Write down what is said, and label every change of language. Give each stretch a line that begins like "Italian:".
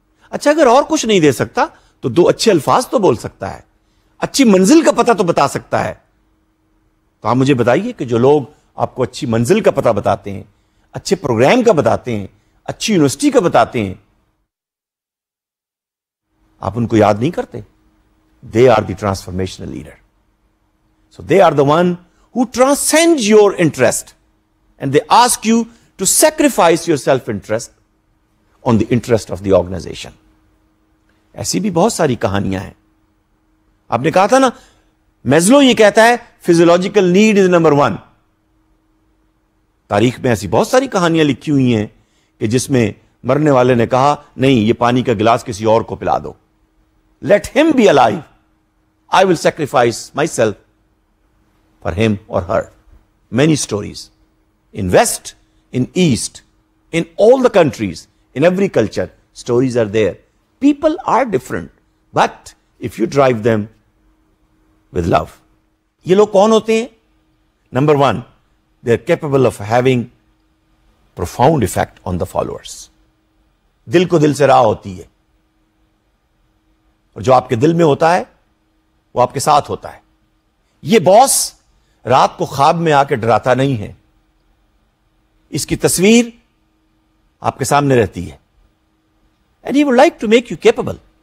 Urdu: اچھا اگر اور کچھ نہیں دے سکتا تو دو اچھے الفاظ تو بول سکتا ہے، اچھی منزل کا پتہ تو بتا سکتا ہے. تو آپ مجھے بتائیے کہ جو لوگ آپ کو اچھی منزل کا پتہ بتاتے ہیں، اچھے پروگرام کا بتاتے ہیں، اچھی یونیورسٹی کا بتاتے ہیں، آپ ان کو یاد نہیں کرتے؟
English: They are the transformational leader. So they are the one who transcends your interest and they ask you to sacrifice your self-interest on the interest of the organization.
Urdu: ایسی بھی بہت ساری کہانیاں ہیں. آپ نے کہا تھا نا میزلو یہ کہتا ہے
English: physiological need is number one.
Urdu: تاریخ میں ایسی بہت ساری کہانیاں لکھی ہوئی ہیں کہ جس میں مرنے والے نے کہا نہیں یہ پانی کا گلاس کسی اور کو پلا دو.
English: Let him be alive. I will sacrifice myself for him or her. Many stories. In West, in East, in all the countries, in every culture, stories are there. People are different. But if you drive them with love.
Urdu: Ye log kaun hote hain?
English: Number one, they are capable of having profound effect on the followers.
Urdu: Dil ko dil se raah hoti hai. اور جو آپ کے دل میں ہوتا ہے وہ آپ کے ساتھ ہوتا ہے. یہ باس رات کو خواب میں آ کے ڈراتا نہیں ہے. اس کی تصویر آپ کے سامنے رہتی ہے.
English: And he would like to make you capable.